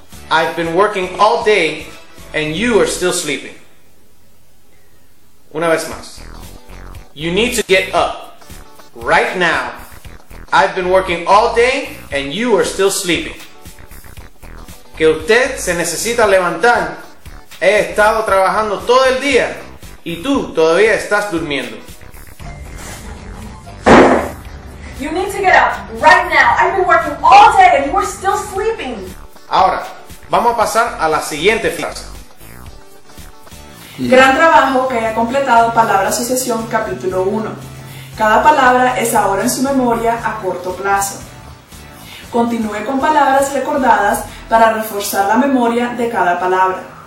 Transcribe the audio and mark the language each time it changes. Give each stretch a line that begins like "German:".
English: I've been working all day and you are still sleeping.
Spanish: Una vez más.
English: You need to get up. Right now. I've been working all day and you are still sleeping.
Spanish: Que usted se necesita levantar. He estado trabajando todo el día y tú todavía estás durmiendo.
English: You need to get up right now. I've been working all day and you are still sleeping.
Spanish: Ahora, vamos a pasar a la siguiente frase. Gran trabajo que haya completado palabra sucesión capítulo 1. Cada palabra es ahora en su memoria a corto plazo. Continúe con palabras recordadas para reforzar la memoria de cada palabra.